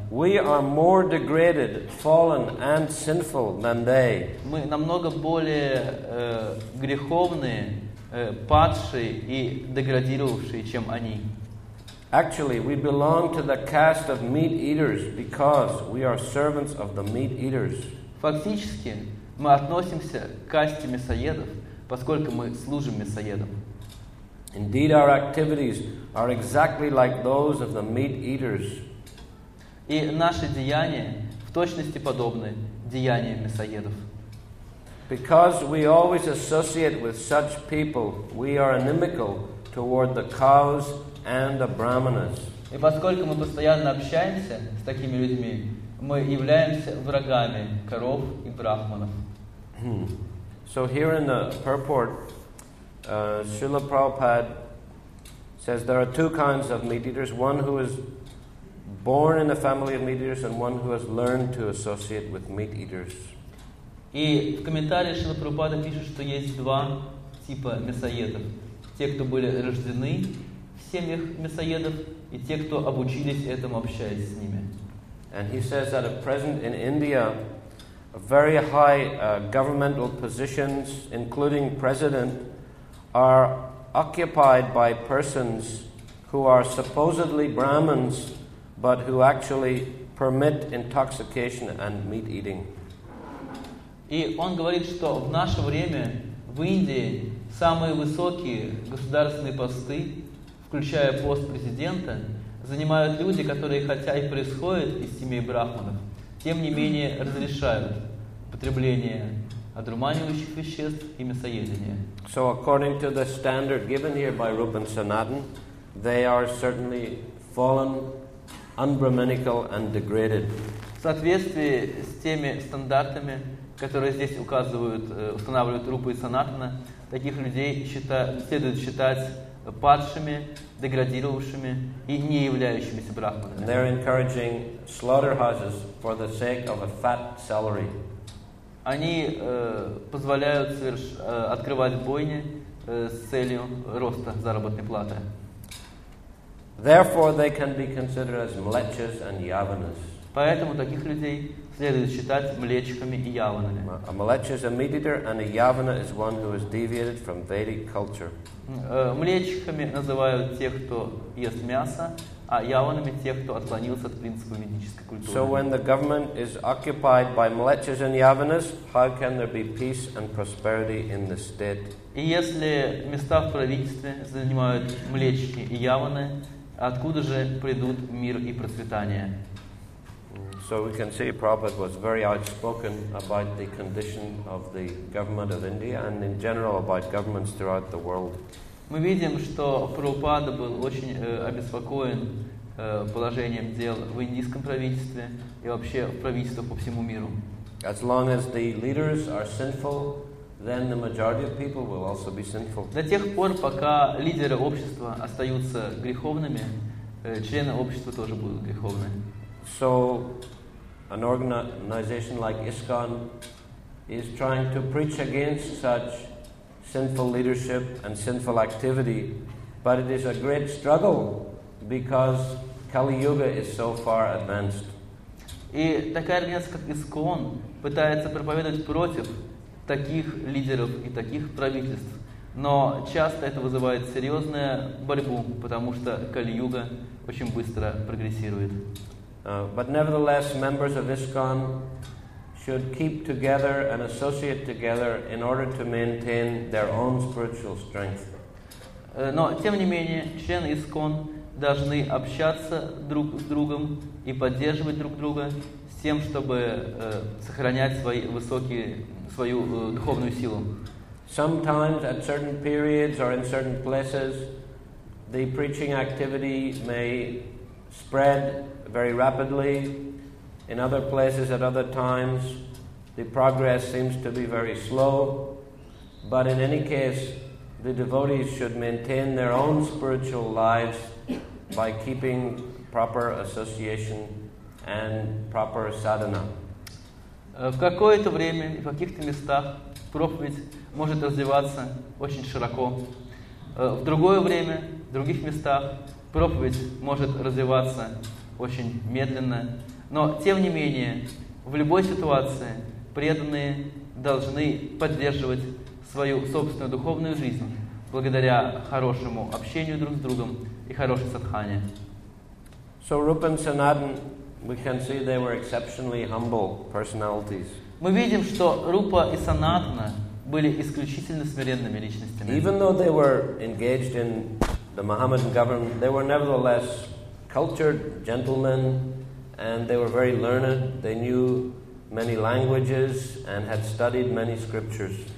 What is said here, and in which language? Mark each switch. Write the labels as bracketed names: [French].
[English] We are more degraded, fallen, and sinful than they. [Russian] Мы намного более греховные, падшие и деградировавшие, чем они. [English] Actually, we belong to the caste of meat eaters because we are servants of the meat eaters. [Russian] Фактически, мы относимся к касте мясоедов, поскольку мы служим мясоедам. [English] Indeed, our activities are exactly like those of the meat eaters. [Russian] И наши деяния в точности подобны деяниям мясоедов. [English] Because we always associate with such people, we are inimical toward the cows and the brahmanas. [Russian] И поскольку мы постоянно общаемся с такими людьми, мы являемся врагами коров и брахманов. [English] So here in the purport, Srila Prabhupada says there are two kinds of meat eaters, one who is born in a family of meat eaters and one who has learned to associate with meat eaters. [Russian] И в комментариях Шрила Прабхупада пишет, что есть два типа мясоедов. Те, кто были рождены в семьях мясоедов, и те, кто обучились этому, общаясь с ними. [English] And he says that at present in India, very high governmental positions, including president, are occupied by persons who are supposedly Brahmins, but who actually permit intoxication and meat eating. [Russian] И он говорит, что в наше время в Индии самые высокие государственные посты, включая пост президента, занимают люди, которые хотя и происходят из семей брахманов, тем не менее разрешают употребление одурманивающих веществ и мясоедение. [English] So according to the standard given here by Rupan Sanatan, they are certainly fallen, unbrahminical and degraded. [Russian] В соответствии с теми стандартами, которые здесь указывают, устанавливают Рупы и Санатана, таких людей следует считать падшими, деградировавшими и не являющимися брахманами. [English] They're encouraging slaughterhouses for the sake of a fat salary. [Russian] Они позволяют открывать бойни с целью роста заработной платы. [English] Therefore, they can be considered as mlechas and yavanas. [Russian] Поэтому таких людей следует считать млечхами и яванами. [English] A mlecha is a meat eater, and a yavana is one who has deviated from Vedic culture. [Russian] Млечхами называют тех, кто ест мясо, а яванами тех, кто отклонился от принципа ведической культуры. [English] So when the government is occupied by mlechas and yavanas, how can there be peace and prosperity in the state? [Russian] И если места в правительстве занимают млечхи и яваны, откуда же придут мир и процветание? [English] So we can see Prabhupada was very outspoken about the condition of the government of India and in general about governments throughout the world. [Russian] Мы видим, что Прабхупада был очень обеспокоен положением дел в индийском правительстве и вообще в правительствах по всему миру. [English] As long as the leaders are sinful, then the majority of people will also be sinful. [Russian] До тех пор, пока лидеры общества остаются греховными, члены общества тоже будут греховны. [English] So an organization like ISKCON is trying to preach against such sinful leadership and sinful activity, but it is a great struggle because Kali Yuga is so far advanced. [Russian] И такая организация, как ISKCON, пытается проповедовать против таких лидеров и таких правительств, но часто это вызывает серьезную борьбу, потому что Кали-Юга очень быстро прогрессирует. [English] But nevertheless, members of ISKCON should keep together and associate together in order to maintain their own spiritual strength. [Russian] Но тем не менее, члены ISKCON должны общаться друг с другом и поддерживать друг друга с тем, чтобы сохранять свою духовную силу. [English] Sometimes at certain periods or in certain places, the preaching activity may spread very rapidly. In other places, at other times, the progress seems to be very slow. But in any case, the devotees should maintain their own spiritual lives by keeping proper association and proper sadhana. [Russian] В какое-то время и в каких-то местах проповедь может развиваться очень широко. В другое время, в других местах проповедь может развиваться очень медленно. Но тем не менее, в любой ситуации преданные должны поддерживать свою собственную духовную жизнь благодаря хорошему общению друг с другом и хорошей садхане. [English] So Rupa and Sanatan, we can see they were exceptionally humble personalities. [Russian] Мы видим, что Рупа и Санатана были исключительно смиренными личностями. [English] Even though they were engaged in the Mohammedan government, they were nevertheless cultured gentlemen, and they were very learned. They knew many languages and had studied many scriptures.